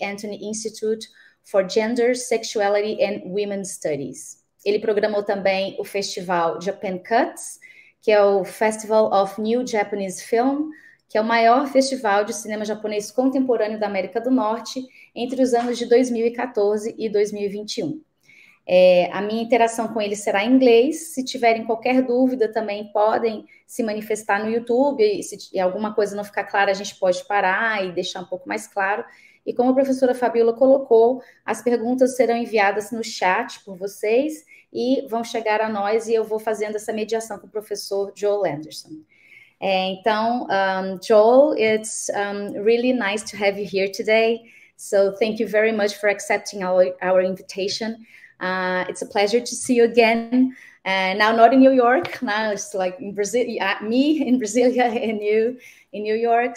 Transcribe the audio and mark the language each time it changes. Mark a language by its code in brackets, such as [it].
[en] Anthony Institute for Gender, Sexuality and Women's Studies. [pt] Ele programou também o Festival Japan Cuts, que é o Festival of New Japanese Film, que é o maior festival de cinema japonês contemporâneo da América do Norte entre os anos de 2014 e 2021. A minha interação com eles será em inglês. Se tiverem qualquer dúvida, também podem se manifestar no YouTube. E se alguma coisa não ficar clara, a gente pode parar e deixar um pouco mais claro. E como a professora Fabiola colocou, as perguntas serão enviadas no chat por vocês e vão chegar a nós, e eu vou fazendo essa mediação com o professor Joel Anderson. [en] Então, Joel, it's really nice to have you here today. So thank you very much for accepting our invitation. It's a pleasure to see you again. Now not in New York, now it's like in Brazil, me in Brasília and you in New York.